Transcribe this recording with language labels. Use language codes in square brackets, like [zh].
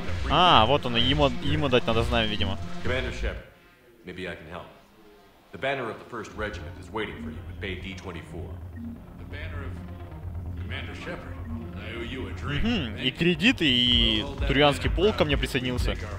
[ru] А, вот оно, ему дать надо знамя, видимо. [en] Commander Shepard, maybe I can help. The banner of the first regiment is waiting for you at Bay D-24. The banner of Commander Shepard. I owe you a drink. [ru] И кредиты, и Турианский полк ко мне присоединился.